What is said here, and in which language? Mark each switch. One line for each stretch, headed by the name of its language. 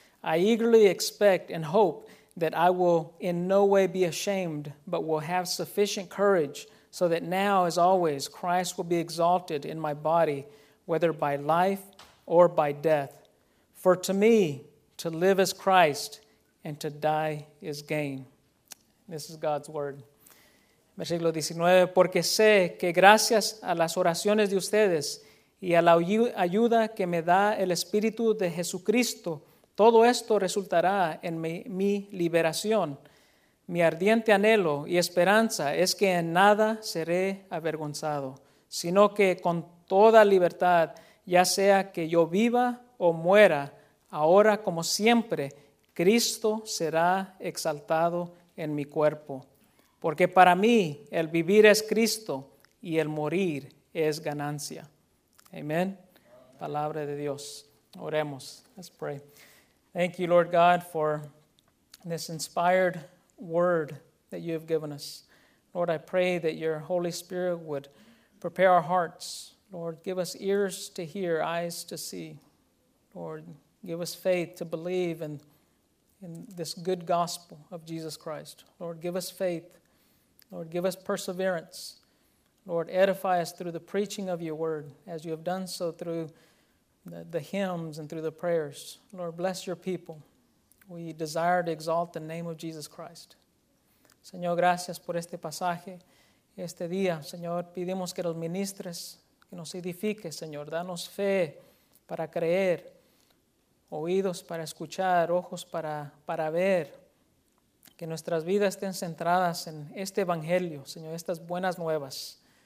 English: I eagerly expect and hope that I will in no way be ashamed, but will have sufficient courage so that now, as always, Christ will be exalted in my body, whether by life or by death. For to me, to live is Christ, and to die is gain. This is God's word.
Spanish: Versículo 19, porque sé que gracias a las oraciones de ustedes y a la ayuda que me da el Espíritu de Jesucristo, todo esto resultará en mi liberación. Mi ardiente anhelo y esperanza es que en nada seré avergonzado, sino que con toda libertad, ya sea que yo viva o muera, ahora como siempre, Cristo será exaltado en mi cuerpo. Porque para mí, el vivir es Cristo, y el morir es ganancia. Amen. Palabra de Dios. Oremos.
English: Let's pray. Thank you, Lord God, for this inspired word that you have given us. Lord, I pray that your Holy Spirit would prepare our hearts. Lord, give us ears to hear, eyes to see. Lord, give us faith to believe in this good gospel of Jesus Christ. Lord, give us faith. Lord, give us perseverance. Lord, edify us through the preaching of your word, as you have done so through the hymns and through the prayers. Lord, bless your people. We desire to exalt the name of Jesus Christ.
Spanish: Señor, gracias por este pasaje, este día. Señor, pedimos que los ministres, que nos edifique, Señor. Danos fe para creer, oídos para escuchar, ojos para ver. Que nuestras vidas estén centradas en este evangelio, Señor, estas buenas nuevas.